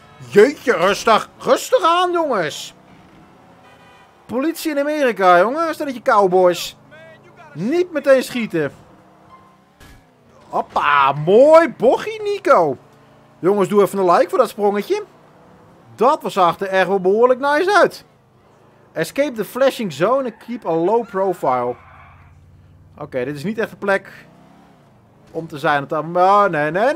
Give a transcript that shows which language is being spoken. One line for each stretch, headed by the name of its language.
Dutch: Jeetje, rustig. Rustig aan, jongens. Politie in Amerika, jongen. Stel dat je cowboys. Niet meteen schieten. Hoppa, mooi bochie, Nico. Jongens, doe even een like voor dat sprongetje. Dat zag er echt wel behoorlijk nice uit.
English: Escape the flashing zone and keep a low profile.
Dutch: Oké, dit is niet echt de plek om te zijn. Oh, nee.